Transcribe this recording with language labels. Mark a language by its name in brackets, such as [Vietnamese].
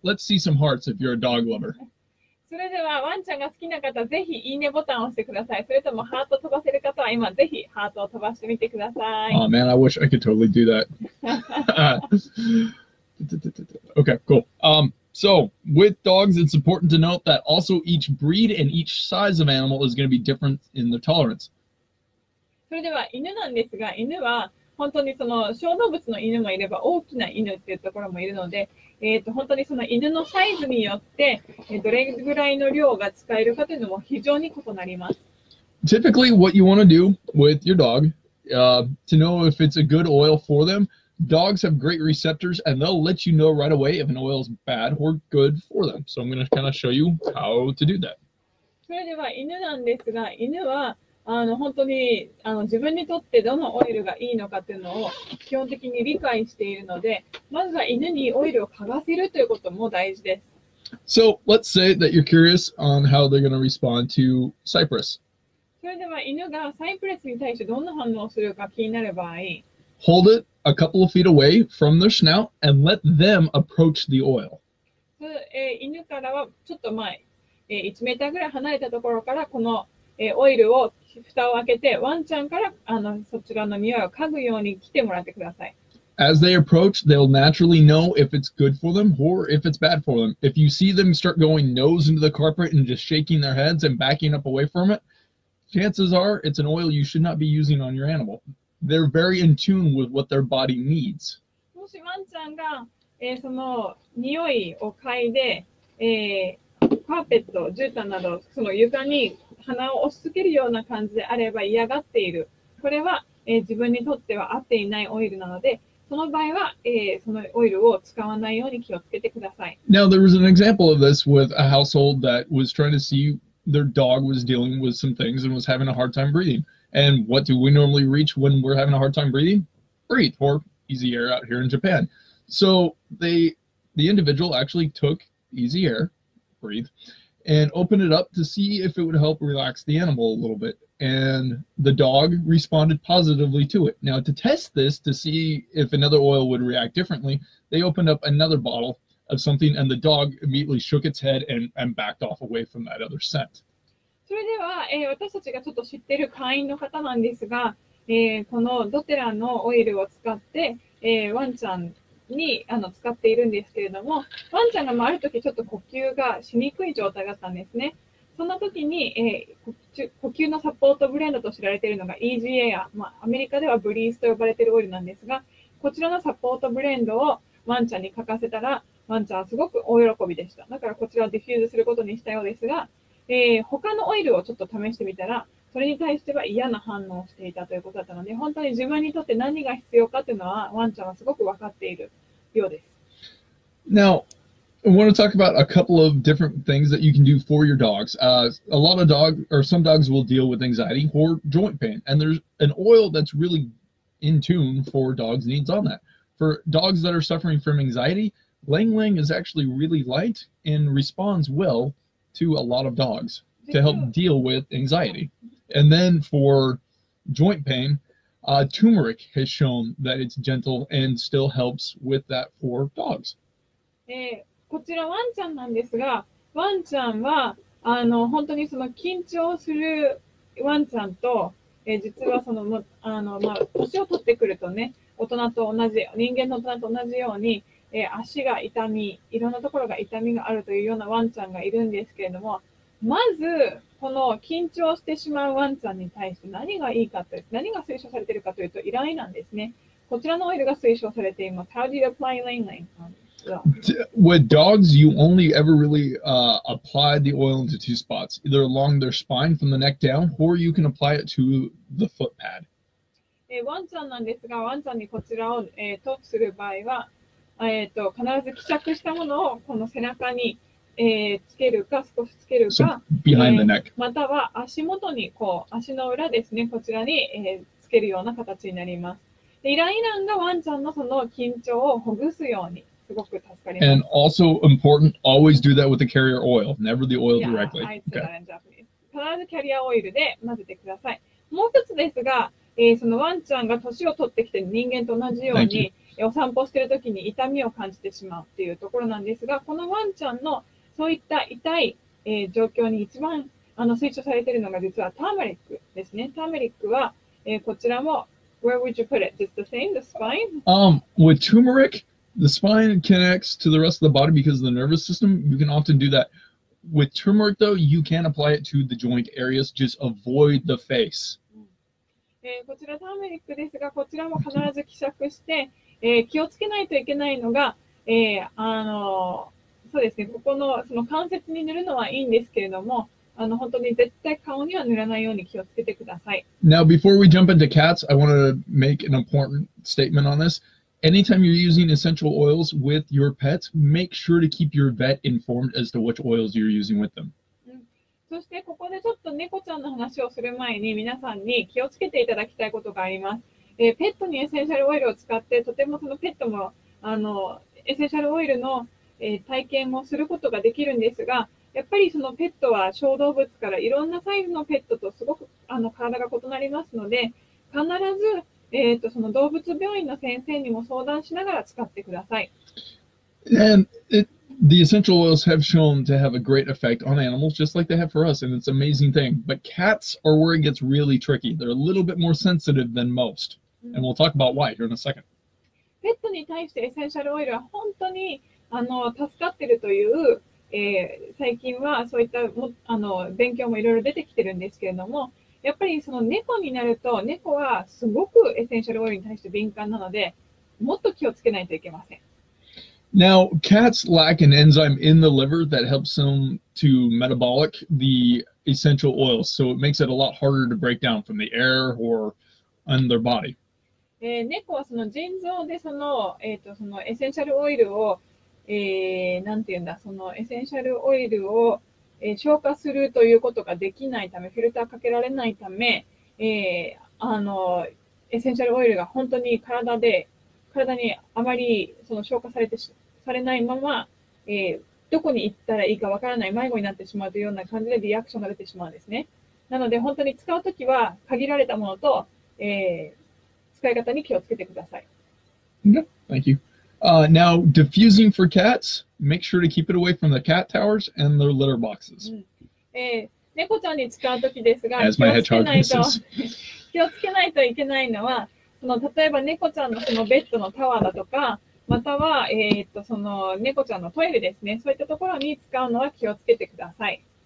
[English] Let's see some hearts if you're a dog lover. Oh man, I wish I could totally do that. Okay, cool. So, with dogs, it's important to note that also each breed and each size of animal is going to be different in the tolerance. [Japanese] それでは犬なんですが、犬は本当にその小動物の犬もいれば大きな犬っていうところもいるので、本当にその犬のサイズによってどれぐらいの量が使えるかというのも非常に異なります。 [English] Typically, what you want to do with your dog, to know if it's a good oil for them,Dogs have great receptors, and they'll let you know right away if an oil is bad or good for them. So I'm going to kind of show you how to do that. [Japanese] それでは犬なんですが、犬は本当に自分にとってどのオイルがいいのかというのを基本的に理解しているので、まずは犬にオイルを嗅がせるということも大事です。 [English] So let's say that you're curious on how they're going to respond to cypress. [Japanese] それでは犬がサイプレスに対してどんな反応をするか気になる場合、 [English] Hold it a couple of feet away from their snout and let them approach the oil. [Japanese] 犬からはちょっと前、1メーターぐらい離れたところからこの、オイルを蓋を開けてワンちゃんからそちらの匂いを嗅ぐように来てもらってください。 [English] As they approach, they'll naturally know if it's good for them or if it's bad for them. If you see them start going nose into the carpet and just shaking their heads and backing up away from it, chances are it's an oil you should not be using on your animal. They're very in tune with what their body needs. [Japanese] もしワンちゃんが、その匂いを嗅いで、カーペット、絨毯などその床に鼻を押し付けるような感じであれば嫌がっている。これは、自分にとっては合っていないオイルなので、その場合は、そのオイルを使わないように気をつけてください。 [English] Now there was an example of this with a household that was trying to see their dog was dealing with some things and was having a hard time breathing. And what do we normally reach when we're having a hard time breathing? Breathe, or easy air out here in Japan. So the individual actually took easy air, breathe, and opened it up to see if it would help relax the animal a little bit. And the dog responded positively to it. Now to test this, to see if another oil would react differently, they opened up another bottle of something and the dog immediately shook its head and backed off away from that other scent. [Japanese] それでは、私たちがちょっと知っている会員の方なんですが、このドテラのオイルを使って、ワンちゃんに使っているんですけれども、ワンちゃんがある時ちょっと呼吸がしにくい状態だったんですね。その時に、呼吸のサポートブレンドと知られているのが Easy Air、アメリカではブリーズと呼ばれているオイルなんですが、こちらのサポートブレンドをワンちゃんに欠かせたら、ワンちゃんはすごく大喜びでした。だからこちらをディフューズすることにしたようですが、他のオイルをちょっと試してみたら、それに対しては嫌な反応をしていたということだったので、本当に自分にとって何が必要かというのは、ワンちゃんはすごく分かっているようです。 [English] Now, I want to talk about a couple of different things that you can do for your dogs. A lot of dogs, or some dogs will deal with anxiety or joint pain, and there's an oil that's really in tune for dogs' needs on that. For dogs that are suffering from anxiety, Lang Lang is actually really light and responds well to a lot of dogs to help deal with anxiety. And then for joint pain, turmeric has shown that it's gentle and still helps with that for dogs. [Japanese] こちらワンちゃんなんですが、ワンちゃんは本当にその緊張するワンちゃんと、実はその、年を取ってくるとね、大人と同じ、人間の大人と同じように、足が痛み、いろんなところが痛みがあるというようなワンちゃんがいるんですけれども、まず、この緊張してしまうワンちゃんに対して何がいいかと、何が推奨されているかというと、イラインなんですね。こちらのオイルが推奨されています。 [English] How do you apply Lang Lang? With dogs, you only ever really apply the oil into two spots, either along their spine from the neck down, or you can apply it to the foot pad. [Japanese] ワンちゃんなんですが、ワンちゃんにこちらを、塗布する場合は、必ず希釈したものをこの背中に、つけるか、少しつけるか、 [English] so behind the neck. [Japanese] または足元にこう、足の裏ですね、こちらに、つけるような形になります。でイライランがワンちゃんのその緊張をほぐすように。 [English] And also important, always do that with the carrier oil, never the oil directly. Yeah, okay. [Japanese] 必ずキャリアオイルで混ぜてください。もう一つですが、そのワンちゃんが年を取ってきて人間と同じようにお散歩してるときに痛みを感じてしまうっていうところなんですが、このワンちゃんのそういった痛い、状況に一番推奨されているのが実はターメリックですね。ターメリックは、こちらも、 [English] where would you put it? Just the same, the spine? With turmeric? The spine connects to the rest of the body because of the nervous system. You can often do that. With turmeric, though, you can apply it to the joint areas. Just avoid the face. [Japanese] こちらターメリックですが、こちらも必ず希釈して、気をつけないといけないのが、そうですね、ここの、その関節に塗るのはいいんですけれども、本当に絶対顔には塗らないように気をつけてください。 [English] Now, before we jump into cats, I want to make an important statement on this. Anytime you're using essential oils with your pets, make sure to keep your vet informed as to which oils you're using with them. [Japanese] そしてここでちょっと猫ちゃんの話をする前に皆さんに気をつけていただきたいことがあります。ペットにエッセンシャルオイルを使ってとてもそのペットもエッセンシャルオイルの、体験をすることができるんですが、やっぱりそのペットは小動物からいろんなサイズのペットとすごく体が異なりますので、必ずその動物病院の先生にも相談しながら使ってください。 [English] And the essential oils have shown to have a great effect on animals, just like they have for us, and it's an amazing thing. But cats are where it gets really tricky. They're a little bit more sensitive than most. And we'll talk about why here in a second. [Japanese] ペットに対してエッセンシャルオイルは本当に助かってるという、最近はそういったも勉強もいろいろ出てきてるんですけれども、やっぱりその猫になると猫はすごくエッセンシャルオイルに対して敏感なのでもっと気をつけないといけません。 [English] Now, cats lack an enzyme in the liver that helps them to metabolic the essential oils, so it makes it a lot harder to break down from the air or on their body. [Japanese] 猫はその腎臓でその、そのエッセンシャルオイルを、なんていうんだ、そのエッセンシャルオイルを消化するということができないため、フィルターかけられないため、エッセンシャルオイルが本当に体にあまりその消化されてされないまま、どこに行ったらいいかわからない迷子になってしまうというような感じでリアクションが出てしまうんですね。なので本当に使うときは限られたものと、使い方に気をつけてください。 [English] Thank you. Now, diffusing for cats, make sure to keep it away from the cat towers and their litter boxes. [Japanese] 猫ちゃんに使うときですが、気をつけないといけないのは、例えば猫ちゃんのそのベッドのタワーだとか、または、その猫ちゃんのトイレですね、そういったところに使うのは気をつけてください。